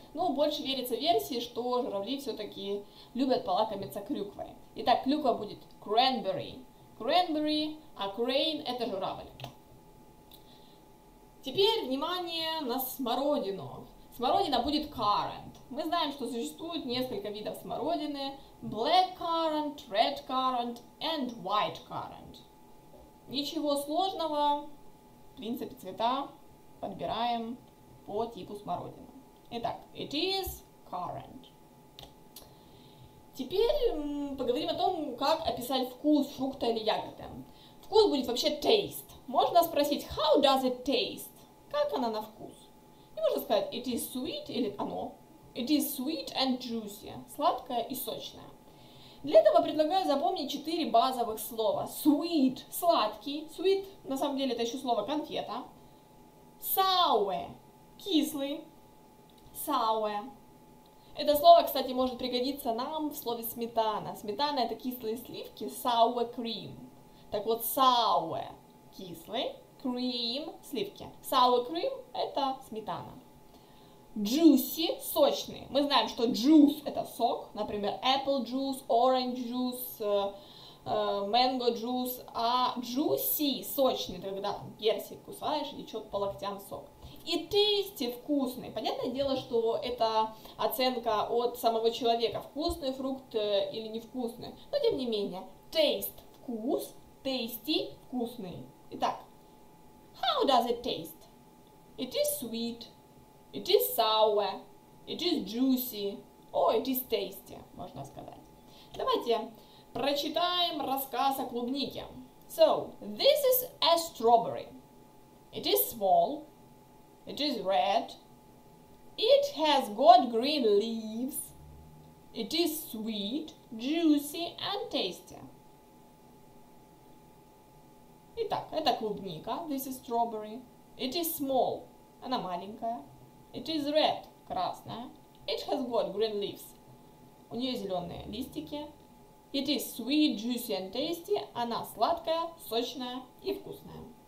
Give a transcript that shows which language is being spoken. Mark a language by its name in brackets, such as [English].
[Russian] Но больше верится версии, что журавли все-таки любят полакомиться клюквой. Итак, клюква будет cranberry. Cranberry, а crane – это журавль. Теперь внимание на смородину. Смородина будет currant. Мы знаем, что существует несколько видов смородины. [English] Black currant, red currant and white currant. [Russian] Ничего сложного. В принципе, цвета подбираем по типу смородины. Итак, [English] it is currant. [Russian] Теперь поговорим о том, как описать вкус фрукта или ягоды. Вкус будет вообще taste. Можно спросить, [English] how does it taste? [Russian] Как она на вкус? И можно сказать, [English] it is sweet [Russian] или оно. [English] It is sweet and juicy. [Russian] Сладкое и сочное. Для этого предлагаю запомнить 4 базовых слова. Sweet – сладкий. Sweet – на самом деле это еще слово конфета. Sour – кислый. [English] Sour. [Russian] Это слово, кстати, может пригодиться нам в слове сметана. Сметана – это кислые сливки, [English] sour cream. [Russian] Так вот, sour – кислый, cream – сливки. [English] Sour cream [Russian] – это сметана. Juicy – сочный. Мы знаем, что juice – это сок. Например, [English] apple juice, orange juice, mango juice. [Russian] А juicy – сочный, когда персик кусаешь и течет по локтям сок. и тесте вкусный. Понятное дело, что это оценка от самого человека, вкусный фрукт или невкусный. Но тем не менее, taste – вкус, tasty – вкусный. [English] Итак, how does it taste? It is sweet, it is sour, it is juicy, or it is tasty, [Russian] можно сказать. Давайте прочитаем рассказ о клубнике. [English] So, this is a strawberry. It is small, it is red, it has got green leaves, it is sweet, juicy and tasty. [Russian] Итак, это клубника, [English] this is strawberry. It is small, [Russian] она маленькая. [English] It is red, [Russian] красная. [English] It has got green leaves, [Russian] у нее зеленые листики. [English] It is sweet, juicy and tasty, [Russian] она сладкая, сочная и вкусная.